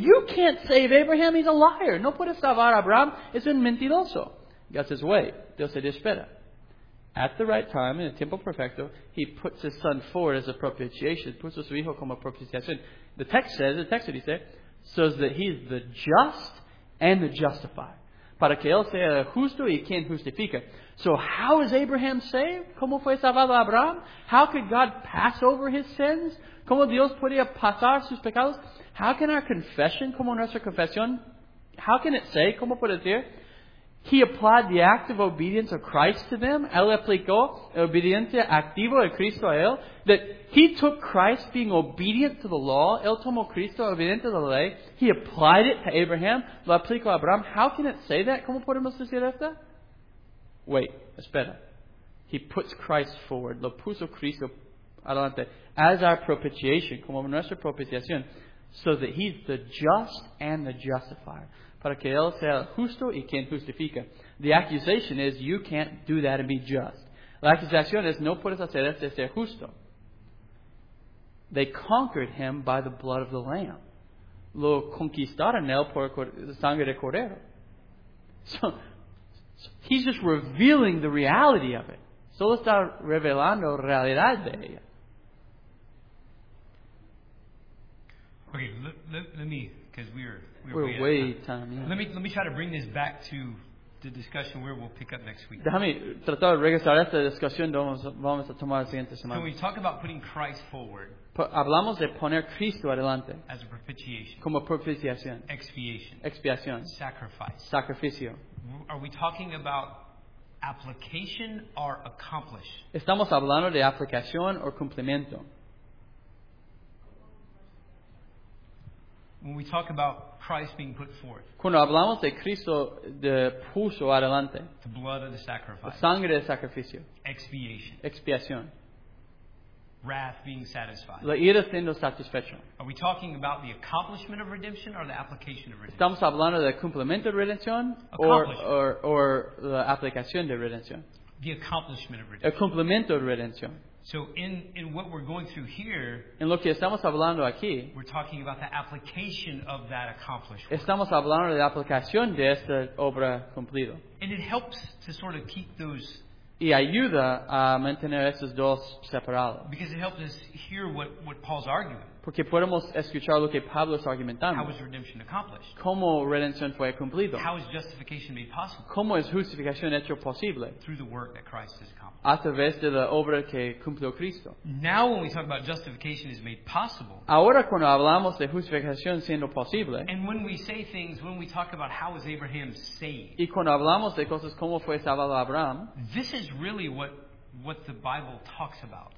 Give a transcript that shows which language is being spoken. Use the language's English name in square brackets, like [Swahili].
[English] You can't save Abraham. He's a liar. [Spanish] No puede salvar a Abraham. Es un mentiroso. [English] God says, wait. [Spanish] Dios se espera. [English] At the right time, in the [Spanish] tiempo perfecto, [English] he puts his son forward as a propitiation. [Spanish] Puso su hijo como propiciación. [English] The text says, so that he is the just and the justified. [Spanish] Para que él sea justo y quien justifica. [English] So how is Abraham saved? [Spanish] ¿Cómo fue salvado Abraham? [English] How could God pass over his sins? [Spanish] ¿Cómo Dios podía pasar sus pecados? [English] How can our confession, [Spanish] como nuestra confesión, [English] how can it say, [Spanish] ¿cómo puede decir? [English] He applied the act of obedience of Christ to them. [Spanish] Él aplicó obediencia activa de Cristo a él. [English] That he took Christ being obedient to the law. [Spanish] Él tomó Cristo obediente a la ley. [English] He applied it to Abraham. [Spanish] Lo aplicó a Abraham. [English] How can it say that? [Spanish] ¿Cómo podemos decir esto? [English] Wait, [Spanish] espera. [English] He puts Christ forward. [Spanish] Lo puso Cristo adelante. [English] As our propitiation, [Spanish] como nuestra propiciación. [English] So that he's the just and the justifier. [Spanish] Para que él sea justo y quien justifica. [English] The accusation is, you can't do that and be just. [Spanish] La accusación es, no puedes hacer eso y ser justo. [English] They conquered him by the blood of the Lamb. [Spanish] Lo conquistaron él por sangre de cordero. [English] So he's just revealing the reality of it. [Spanish] Solo está revelando la realidad de ella. [English] Okay, let me, because we're way time. Let me try to bring this back to the discussion where we'll pick up next week. [Spanish] Déjame tratar de regresar a esta discusión donde vamos a tomar la siguiente semana. [English] Can we talk about putting Christ forward? [Spanish] Hablamos de poner Cristo adelante. [English] As a propitiation. [Spanish] Como propiciación. Expiación. Sacrifice. Sacrificio. [English] Are we talking about application or accomplish? [Spanish] Estamos hablando de aplicación o cumplimiento. [English] When we talk about Christ being put forth, [Spanish] cuando hablamos de Cristo de puso adelante, [English] the blood of the sacrifice, [Spanish] la sangre del sacrificio, [English] expiación, wrath being satisfied, [Spanish] la ira siendo satisfecha. [English] Are we talking about the accomplishment of redemption or the application of redemption? [Spanish] Estamos hablando del cumplimiento de redención or la aplicación de redención. [English] The accomplishment of redemption. [Spanish] El cumplimiento de redención. [English] So in what we're going through here, [Spanish] en lo que estamos hablando aquí, [English] we're talking about the application of that accomplished. [Spanish] Estamos hablando de la aplicación de esta obra cumplida. [English] And it helps to sort of keep those [Spanish] y ayuda a mantener esos dos separados. [English] Because it helps us hear what Paul's arguing. [Spanish] Porque podemos escuchar lo que Pablo está argumentando. [English] How is redemption accomplished? [Spanish] ¿Cómo redención fue cumplido? [English] How is justification made possible? [Spanish] ¿Cómo es justificación hecho posible? [English] Through the work that Christ has accomplished. [Spanish] A través de la obra que cumplió Cristo. [English] Now when we talk about justification is made possible. [Spanish] Ahora cuando hablamos de justificación siendo posible. [English] And when we say things, when we talk about how is Abraham saved. [Spanish] Y cuando hablamos de cosas como fue salvado Abraham. [English] This is really what the Bible talks about.